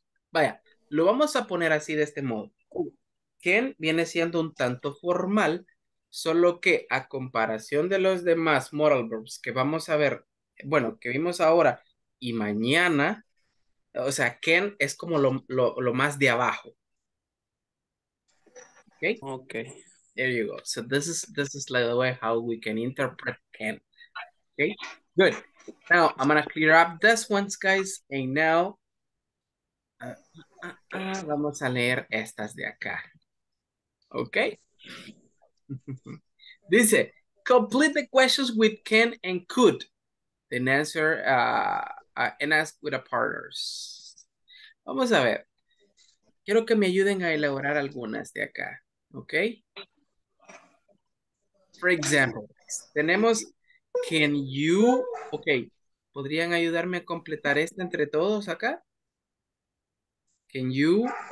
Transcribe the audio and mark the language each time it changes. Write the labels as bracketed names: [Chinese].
[Spanish] Vaya, lo vamos a poner así de este modo. Can viene siendo un tanto formal, solo que a comparación de los demás modal verbs que vamos a ver, bueno, que vimos ahora, y mañana, o sea, can es como lo más de abajo. [English] Okay? Okay. There you go. So this is like the way how we can interpret can. Okay? Good. Now, I'm going to clear up this one, guys. And now, [Spanish] vamos a leer estas de acá. [English] Okay? Dice, complete the questions with can and could. Then answer, and ask with a partners. [Spanish] Vamos a ver. Quiero que me ayuden a elaborar algunas de acá, ¿ok? [English] For example, [Spanish] tenemos, can you, ok, ¿podrían ayudarme a completar esta entre todos acá? Can you